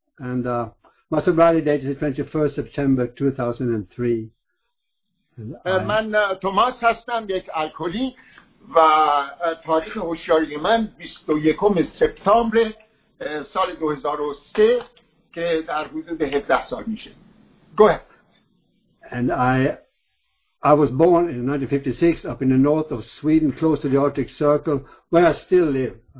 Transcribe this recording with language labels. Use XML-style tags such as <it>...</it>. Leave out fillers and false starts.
<en>And my sobriety date is the 21st September 2003.</en> <fa>من توماس هستم یک الکلی و تاریخ هوشیاری من 21 سپتامبر سال 2003 که در حدود 17 سال میشه.</fa> <en>Go ahead. And I was born in 1956 up in the north of Sweden, close to the Arctic Circle, where I still live.</en>